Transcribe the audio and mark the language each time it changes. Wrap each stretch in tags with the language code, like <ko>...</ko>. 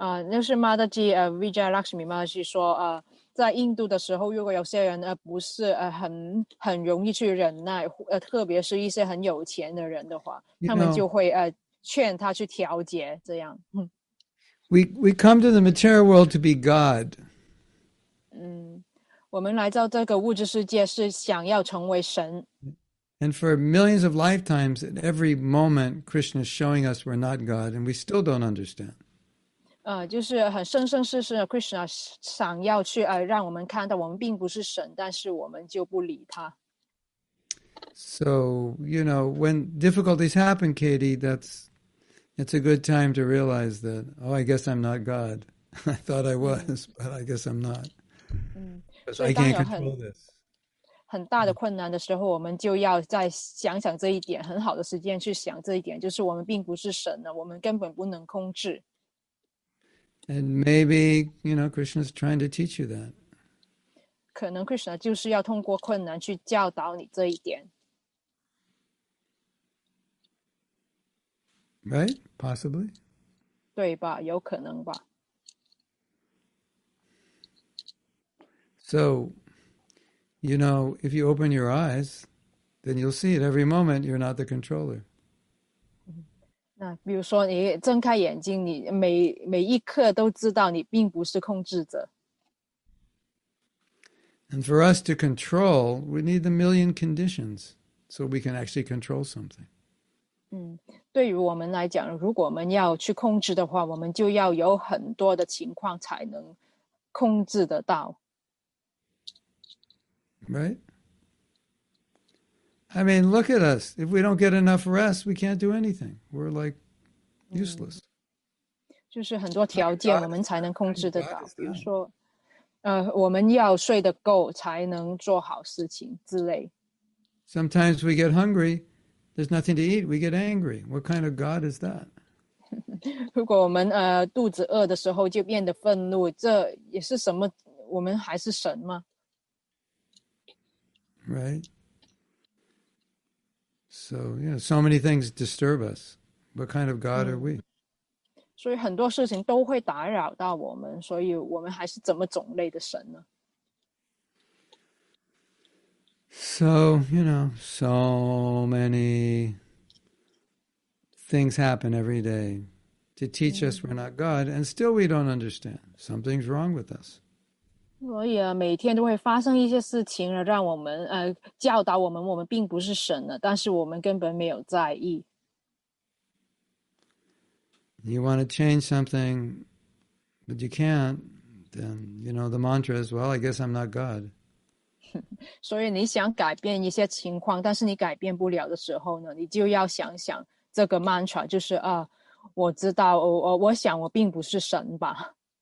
<zh>就是 Mataji Vijayalakshmi Mataji 说在印度的时候，如果有些人不是很容易去忍耐，特别是一些很有钱的人的话，他们就会劝他去调节这样。</zh> <en>We come to the material world to be God.</en> <zh>我们来到这个物质世界是想要成为神。</zh> <en>And for millions of lifetimes, at every moment, Krishna is showing us we're not God, and we still don't understand.</en> <zh>就是很生生世世的 Krishna 想要去让我们看到我们并不是神，但是我们就不理他。</zh> <en>So, you know, when difficulties happen, Katie, that's a good time to realize that, oh, I guess I'm not God. I thought I was, but I guess I'm not. Because I can't control this.</en> <zh>很大的困难的时候，我们就要再想想这一点，很好的时间去想这一点，就是我们并不是神了，我们根本不能控制。</zh> <en>And maybe, you know, Krishna's trying to teach you that.</en> <zh>可能 Krishna 就是要通过困难去教导你这一点。</zh> <en>Right? Possibly?</en> <zh>对吧，有可能吧。</zh> <en>So, you know, if you open your eyes, then you'll see it every moment you're not the controller.</en> <zh>那比如说你睁开眼睛，你每一刻都知道你并不是控制者。</zh> <en>And for us to control, we need the million conditions so we can actually control something.</en> <zh>对于我们来讲，如果我们要去控制的话，我们就要有很多的情况才能控制得到。</zh> <en>Right? I mean, look at us. If we don't get enough rest, we can't do anything. We're like useless.</en> <zh>就是很多条件我们才能控制得到。比如说，我们要睡得够才能做好事情之类。</zh> <en>Sometimes we get hungry, there's nothing to eat, we get angry. What kind of God is that?</en> <zh>如果我们肚子饿的时候就变得愤怒，这也是什么？我们还是神吗？</zh> <en>Right. So, you know, so many things disturb us. What kind of God are we?</en> <zh>所以很多事情都会打扰到我们，所以我们还是怎么种类的神呢？</zh> <en>So, you know, so many things happen every day to teach us we're not God, and still we don't understand. Something's wrong with us.</en> <zh>所以啊，每天都会发生一些事情了，让我们教导我们，我们并不是神了，但是我们根本没有在意。</zh> <en>You want to change something, but you can't, then, you know, the mantra is, well, I guess I'm not God.</en> <zh>所以你想改变一些情况，但是你改变不了的时候呢，你就要想想这个 mantra, 就是啊，我知道，我想我并不是神吧。</zh>